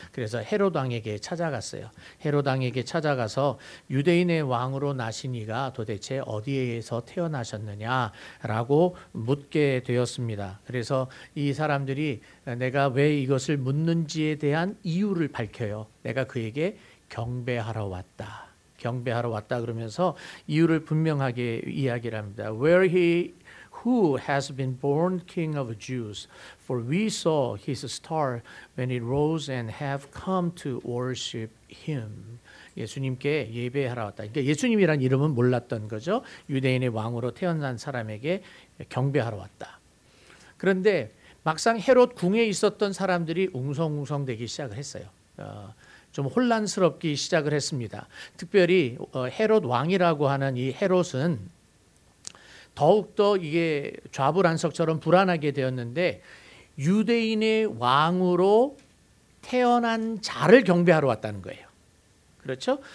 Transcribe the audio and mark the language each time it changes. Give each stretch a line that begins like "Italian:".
Korean: 그래서 헤롯 왕에게 찾아갔어요. 헤롯 왕에게 찾아가서 유대인의 왕으로 나신 이가 도대체 어디에서 태어나셨느냐라고 묻게 되었습니다. 그래서 이 사람들이 내가 왜 이것을 묻는지에 대한 이유를 밝혀요. 내가 그에게 경배하러 왔다. 경배하러 왔다 그러면서 이유를 분명하게 이야기를 합니다.
English: Where he who has been born king of Jews, for we saw his star when it rose and have come to worship him.
Korean: 예수님께 예배하러 왔다. 그러니까 예수님이란 이름은 몰랐던 거죠. 유대인의 왕으로 태어난 사람에게 경배하러 왔다. 그런데 막상 헤롯 궁에 있었던 사람들이 웅성웅성 되기 시작을 했어요. 좀 혼란스럽기 시작을 했습니다. 특별히 헤롯 왕이라고 하는 이 헤롯은 더욱더 이게 좌불안석처럼 불안하게 되었는데 유대인의 왕으로 태어난 자를 경배하러 왔다는 거예요. 그렇죠?